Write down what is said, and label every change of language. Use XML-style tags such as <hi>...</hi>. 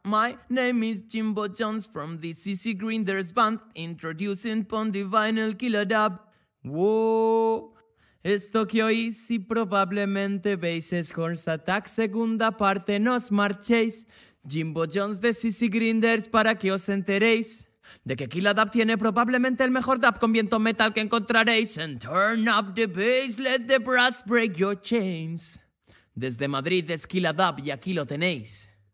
<en>My name is Jimbo Jones from the CC Grinders band. Introducing Pon Divinal Killah Dub. Whoa.</en> <es>Esto que oís y probablemente veis es Horns Attack. Segunda parte, nos marchéis. Jimbo Jones de CC Grinders para que os enteréis. De que Killah Dub tiene probablemente el mejor dub con viento metal que encontraréis.</es> <en>And turn up the bass, let the brass break your chains.</en> <es>Desde Madrid es Killah Dub y aquí lo tenéis.</es>